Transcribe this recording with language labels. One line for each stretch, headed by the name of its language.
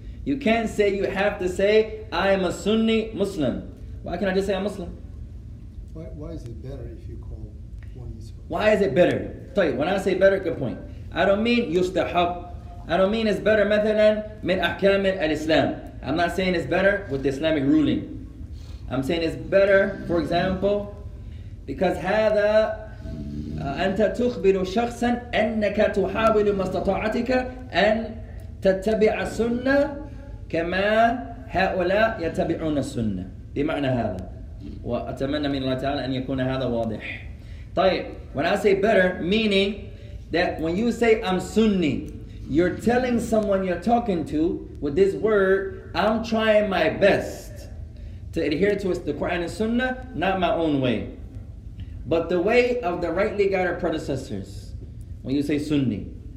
English: You can't say you have to say, I am a Sunni Muslim. Why can't I just say I'm Muslim? Why is it better if you call Why is it better? طيب, when I say better, good point. I don't mean يستحب. I don't mean it's better
Arabic: مثلا من أحكام الإسلام.
English: I'm not saying it's better with the Islamic ruling. I'm saying it's better, for example, because
Arabic: هذا أنت تخبر شخصا أنك تحاول مستطاعتك أن تتبع السنة كما هؤلاء يتبعون السنة. بمعنى هذا. وأتمنى من الله تعالى أن يكون هذا واضح.
English: طيب, when I say better, meaning that when you say I'm Sunni, you're telling someone you're talking to with this word, I'm trying my best to adhere to the Quran and Sunnah, not my own way, but the way of the rightly guided predecessors, when you say Sunni.